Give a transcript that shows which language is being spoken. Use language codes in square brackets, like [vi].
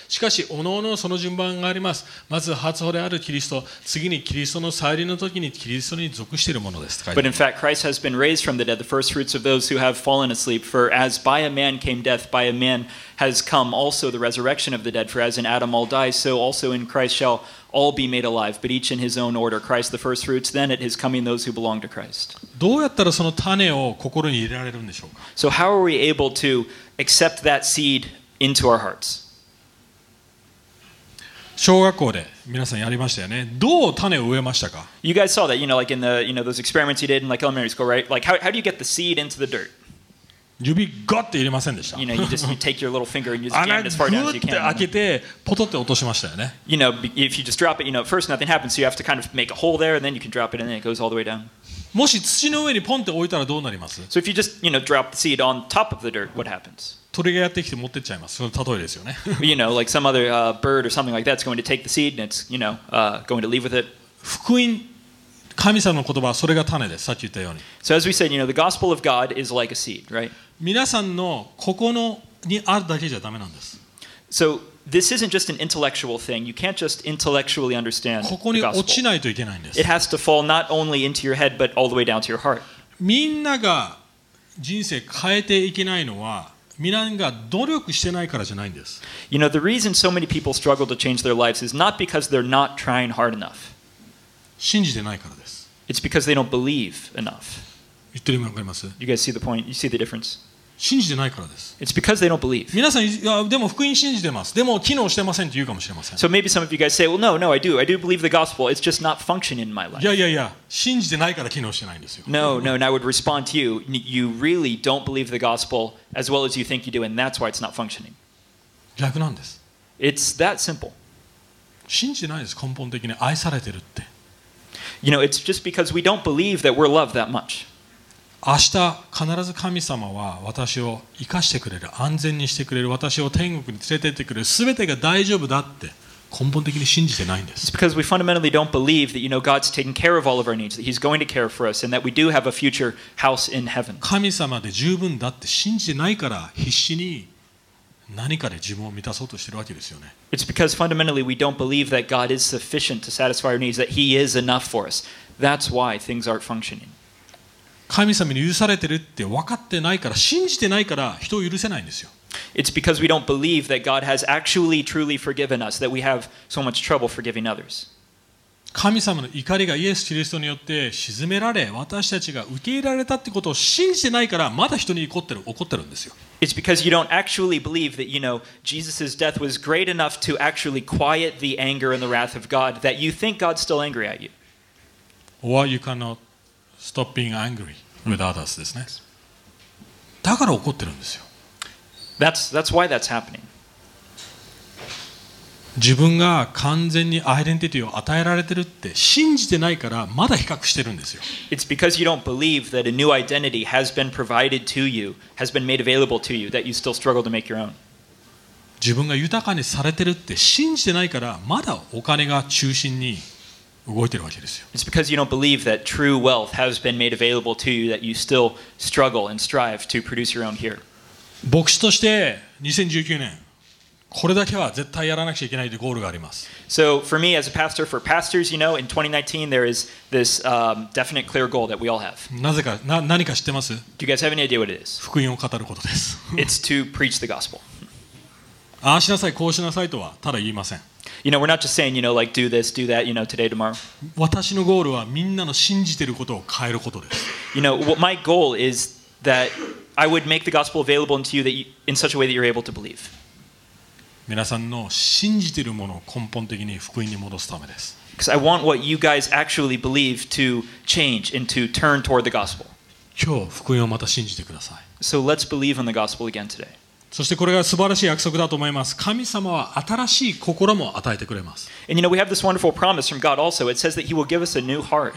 [ja] しかし各々その順番があります。まず初歩であるキリスト、次にキリストの再臨の時にキリストに属しているものです。 [en] But in fact, Christ has been raised from the dead, the first fruits of those who have fallen asleep. For as by a man came death, by a man has come also the resurrection of the dead. For as in Adam all die, so also in Christ shall all be made alive, but each in his own order. Christ the first fruits, then at his coming those who belong to Christ. [ja] どうやったらその種を心に入れられるんでしょうか? [en] So how are we able to accept that seed into our hearts? [ja] 小学校で皆さんやりましたよね。どう種を植えましたか? [en] You guys saw that, you know, like in the, you know, those experiments you did in like elementary school, right? Like how do you get the seed into the dirt? [ja] 指ガッて入れませんでした。 [en] You know, you take your little finger and you jam it as far down as you can. [ja] 開けてポトって落としましたよね。 [en] You know, if you just drop it, you know, first nothing happens, so you have to kind of make a hole there, and then you can drop it, and then it goes all the way down. [ja] もし土の上にポンって置いたらどうなります? [en] So if you just, you know, drop the seed on top of the dirt, what happens? [ja] 鳥がやってきて持ってっちゃいます。その例えですよね。 You know, like some other bird or something like that's going to take the seed and it's, you know, going to leave with it. 福音神様の言葉はそれが種です。さっき言ったように。 [en] So as we said, you know, the gospel of God is like a seed, right? [ja] 皆さんのここのにあるだけじゃダメなんです。 [en] So this isn't just an intellectual thing. You can't just intellectually understand the gospel. [ja] ここに落ちないといけないんです。 [en] It has to fall not only into your head, but all the way down to your heart. [ja] みんなが人生変えていけないのは、みんなが努力してないからじゃないんです。 [en] You know, the reason so many people struggle to change their lives is not because they're not trying hard enough. [ja] 信じてないからです。 [en] It's because they don't believe enough. [ja] 言ってる意味わかります? [en] You guys see the point? You see the difference? [ja] 信じてないからです。 [en] It's because they don't believe. [ja] 皆さん、でも福音信じてます。でも機能してませんって言うかもしれません。 [en] So maybe some of you guys say, well, no, no, I do. I do believe the gospel. It's just not functioning in my life. [ja] いやいやいや、信じてないから機能してないんですよ。 [en] No, no, and I would respond to you. You really don't believe the gospel as well as you think you do, and that's why it's not functioning. [ja] 逆なんです。 [en] It's that simple. [ja] 信じてないです、根本的に愛されてるって。 [en] You know, it's just because we don't believe that we're loved that much. [ja] 明日必ず神様は私を生かしてくれる、安全にしてくれる、私を天国に連れてってくれる、すべてが大丈夫だって根本的に信じてないんです。 [en] It's because we fundamentally don't believe that, you know, God's taking care of all of our needs, that He's going to care for us, and that we do have a future house in heaven. [ja] 神様で十分だって信じてないから必死に何かで自分を満たそうとしてるわけですよね。 [en] It's because fundamentally we don't believe that God is sufficient to satisfy our needs, that He is enough for us. That's why things aren't functioning. [ja] 神様に許されてるって分かってないから、信じてないから人を許せないんですよ。 [en] It's because we don't believe that God has actually truly forgiven us, that we have so much trouble forgiving others. [ja] 神様の怒りがイエス・キリストによって沈められ、私たちが受け入れられたってことを信じてないから、まだ人に怒ってるんですよ。 [en] It's because you don't actually believe that, you know, Jesus' death was great enough to actually quiet the anger and the wrath of God, that you think God's still angry at you. Or you cannot stop being angry with others, [ja] ですね。だから怒ってるんですよ。 [en] That's why that's happening. [ja] 自分が完全にアイデンティティを与えられてるって信じてないから、まだ比較してるんですよ。 [en] It's because you don't believe that a new identity has been provided to you, has been made available to you, that you still struggle to make your own. [ja] 自分が豊かにされてるって信じてないから、まだお金が中心に動いてるわけですよ。 [en] It's because you don't believe that true wealth has been made available to you, that you still struggle and strive to produce your own here. [ja] 牧師として2019年これだけは絶対やらなくちゃいけないというゴールがあります。 [en] So for me as a pastor, for pastors, you know, in 2019 there is this definite clear goal that we all have. [ja] なぜか、何か知ってます? [en] Do you guys have any idea what it is? [ja] 福音を語ることです。 [en] It's to preach the gospel. [ja] ああしなさい、こうしなさいとはただ言いません。 [en] You know, we're not just saying, you know, like do this, do that, you know, today, tomorrow. [ja] 私のゴールはみんなの信じてることを変えることです。 [en] You know, what my goal is that I would make the gospel available to you that you, in such a way that you're able to believe. [ja] 皆さんの信じているものを根本的に福音に戻すためです。 [en] Because I want what you guys actually believe to change and to turn toward the gospel. [ja] 今日福音をまた信じてください。 [en] So let's believe in the gospel again today. [ja] そしてこれが素晴らしい約束だと思います。神様は新しい心も与えてくれます。 [en] And you know, we have this wonderful promise from God also. It says that He will give us a new heart.